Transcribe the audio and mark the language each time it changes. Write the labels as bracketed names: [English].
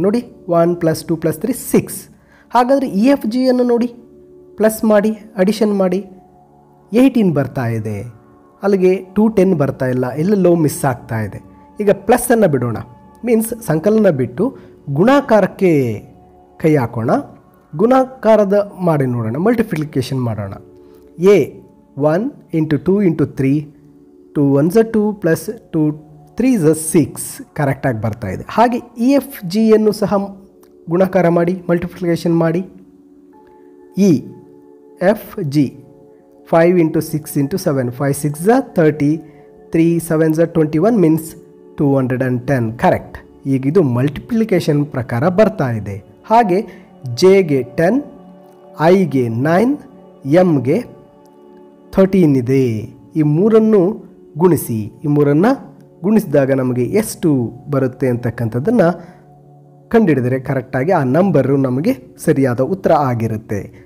[Kannada] ನೋಡಿ, 1 + 2 + 3 6. ಹಾಗಾದರೆ EFGಯನ್ನು ನೋಡಿ, ಪ್ಲಸ್ ಮಾಡಿ, ಅಡಿಷನ್ ಮಾಡಿ, 18 ಬರ್ತಾ ಇದೆ, ಅಲ್ಲಿಗೆ 210 ಬರ್ತಾ ಇಲ್ಲ, ಎಲ್ಲೆಲ್ಲೋ ಮಿಸ್ ಆಗ್ತಾ ಇದೆ. ಈಗ ಪ್ಲಸ್ಸನ್ನು ಬಿಡೋಣ, ಮೀನ್ಸ್ ಸಂಕಲನ ಬಿಟ್ಟು ಗುಣಾಕಾರಕ್ಕೆ ಕೈ ಹಾಕೋಣ, ಗುಣಾಕಾರದ ಮಾಡಿ ನೋಡೋಣ, ಮಲ್ಟಿಪ್ಲಿಕೇಶನ್ ಮಾಡೋಣ. [English] A 1 × 2 × 3 2 1s are 2 + 2 3s are 6 [Kannada] ಕರೆಕ್ಟಾಗಿ ಬರ್ತಾ ಇದೆ. ಹಾಗೆ EFGಯನ್ನು ಸಹ ಗುಣಾಕಾರ ಮಾಡಿ, ಮಲ್ಟಿಪ್ಲಿಕೇಶನ್ ಮಾಡಿ, EFG [English] 5 into 6 into 7, 5, 6 are 30, 3, 7 are 21 means 210, correct. [Kannada] ಈಗ ಇದು ಮಲ್ಟಿಪ್ಲಿಕೇಶನ್ ಪ್ರಕಾರ ಬರ್ತಾ ಇದೆ. ಹಾಗೆ ಜೆಗೆ 10, ಐಗೆ 9, ಎಂಗೆ 13 ಇದೆ. ಈ ಮೂರನ್ನು ಗುಣಿಸಿ, ಈ ಮೂರನ್ನು ಗುಣಿಸಿದಾಗ ನಮಗೆ ಎಷ್ಟು ಬರುತ್ತೆ ಅಂತಕ್ಕಂಥದ್ದನ್ನು ಕಂಡುಹಿಡಿದರೆ ಕರೆಕ್ಟಾಗಿ ಆ ನಂಬರು ನಮಗೆ ಸರಿಯಾದ ಉತ್ತರ ಆಗಿರುತ್ತೆ.